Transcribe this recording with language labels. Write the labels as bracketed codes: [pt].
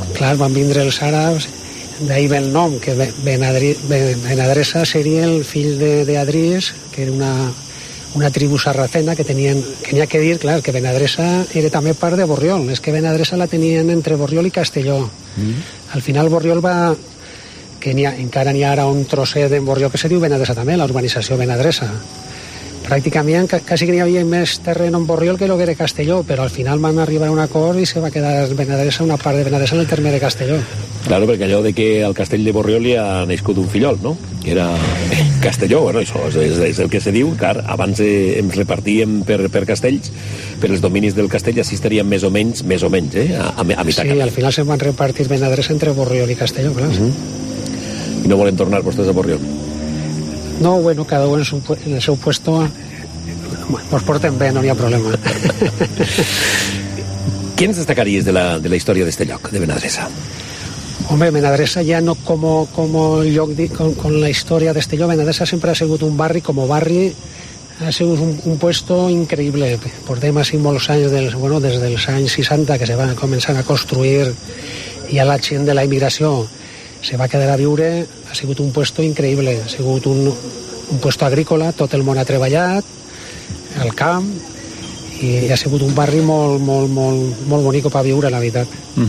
[es] Claro, van a venir los árabes. De ahí [ca] ve el nom, [es] que Benadresa sería [ca] el fill de [es] Adrís, que era una tribu sarracena que tenían, tenía que dir, claro, que Benadresa era también part de Borriol. Es que Benadresa la tenían entre Borriol y Castelló. [ca] Al final Borriol va, que ni, encara n'hi ha ara un trosset de Borriol que se diu Benadresa també, la urbanització Benadresa. Pràcticament, quasi que n'hi havia més terreny en Borriol que el que era Castelló, però al final van arribar a un acord i se va quedar Benadresa, una part de Benadresa en el terme de Castelló. Claro, perquè allò de que al castell de Borriol hi ha nascut un fillol, no? Que era Castelló, bueno, això és el que se diu, clar, abans ens repartíem per castells, per els dominis del castell ja estarien més o menys, a mitjana. Sí, al final se van repartir Benadresa entre Borriol i Castelló, clar. I no volen tornar vostès a Borriol. No, bueno, [es] cada uno [ca] en el seu puesto, pues porten bé, no hi ha problema. Què ens destacaries de la història d'este lloc, de Benadresa? Hombre, Benadresa ja no com lloc, con la història d'este lloc, Benadresa sempre ha sigut un barri, com a barri, ha sigut un puesto increïble. Portem així molts anys, des dels anys 60, que se van començant a construir, i a la gent de la immigració se va quedar a viure, ha sigut un puesto increïble, ha sigut un puesto agrícola, tot el món ha treballat al camp i ha sigut un barri molt molt, molt, molt bonic per viure, la veritat.